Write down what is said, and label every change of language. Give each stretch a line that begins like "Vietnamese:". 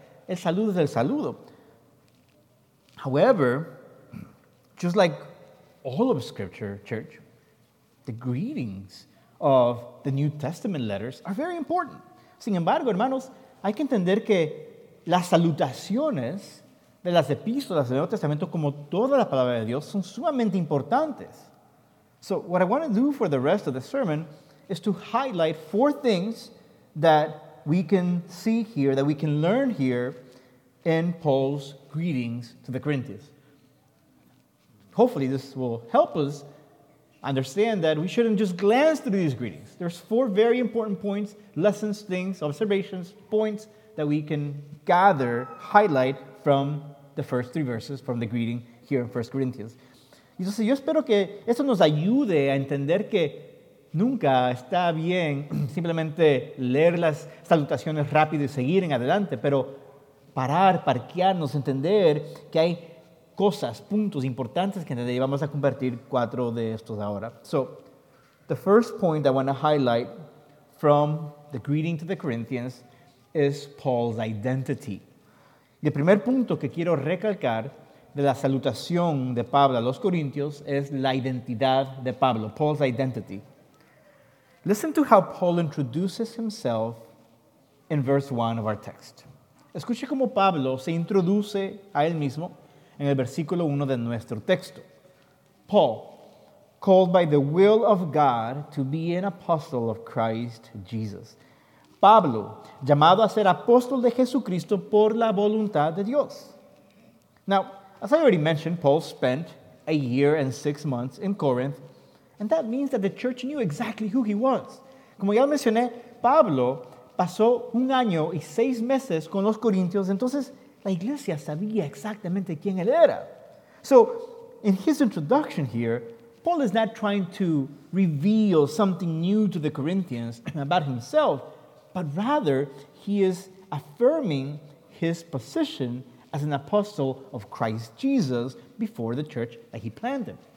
Spanish: El saludo es el saludo.
English: However, just like all of Scripture, church, the greetings of the New Testament letters are very important.
Spanish: Sin embargo, hermanos, hay que entender que las salutaciones de las epístolas del Nuevo Testamento, como toda la palabra de Dios, son sumamente importantes.
English: So, what I want to do for the rest of the sermon is to highlight four things that we can see here, that we can learn here in Paul's greetings to the Corinthians. Hopefully this will help us understand that we shouldn't just glance through these greetings. There's four very important points, lessons, things, observations, points that we can gather, highlight from the first three verses from the greeting here in 1 Corinthians.
Spanish: Y entonces yo espero que esto nos ayude a entender que nunca está bien simplemente leer las salutaciones rápido y seguir en adelante, pero parar, parquearnos, entender que hay cosas, puntos importantes que entender. Y vamos a compartir cuatro de estos ahora.
English: So, the first point I want to highlight from the greeting to the Corinthians is Paul's identity.
Spanish: Y el primer punto que quiero recalcar de la salutación de Pablo a los corintios es la identidad de Pablo,
English: Paul's identity. Listen to how Paul introduces himself in verse 1 of our text.
Spanish: Escuche cómo Pablo se introduce a él mismo en el versículo 1 de nuestro texto.
English: Paul, called by the will of God to be an apostle of Christ Jesus.
Spanish: Pablo, llamado a ser apóstol de Jesucristo por la voluntad de Dios.
English: Now, as I already mentioned, Paul spent a year and 6 months in Corinth. And that means that the church knew exactly who he was.
Spanish: Como ya mencioné, Pablo pasó un año y 6 meses con los corintios, entonces la iglesia sabía exactamente quién él era.
English: So, in his introduction here, Paul is not trying to reveal something new to the Corinthians about himself, but rather he is affirming his position as an apostle of Christ Jesus before the church that he planted.